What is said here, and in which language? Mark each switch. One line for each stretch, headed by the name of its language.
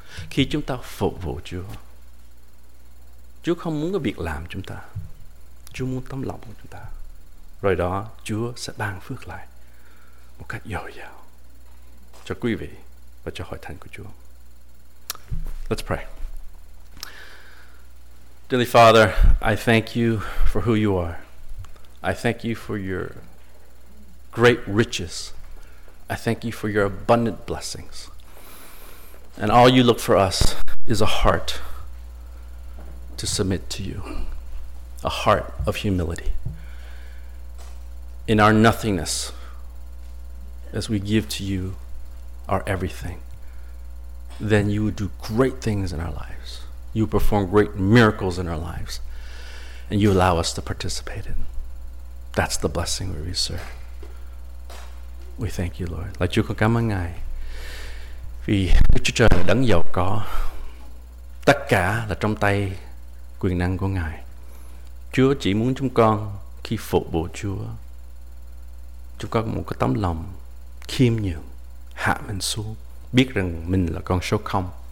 Vietnamese: Khi chúng ta phục vụ Chúa, Chúa không muốn cái việc làm chúng ta, Chúa muốn tấm lòng của chúng ta. Rồi đó Chúa sẽ ban phước lại một cách dồi dào cho quý vị và cho Hội Thánh của Chúa.
English: Let's pray. Dearly Father, I thank you for who you are. I thank you for your great riches. I thank you for your abundant blessings. And all you look for us is a heart to submit to you, a heart of humility. In our nothingness, as we give to you our everything, then you would do great things in our lives. You perform great miracles in our lives, and you allow us to participate in. That's the blessing we receive. We thank you, Lord.
Vietnamese: Lạy Chúa, con cảm ơn Ngài vì Đức Chúa Trời là đấng giàu có. Tất cả là trong tay quyền năng của Ngài. Chúa chỉ muốn chúng con khi phục vụ Chúa, chúng con muốn có tấm lòng khiêm nhường, hạ mình xuống, biết rằng mình là con số không.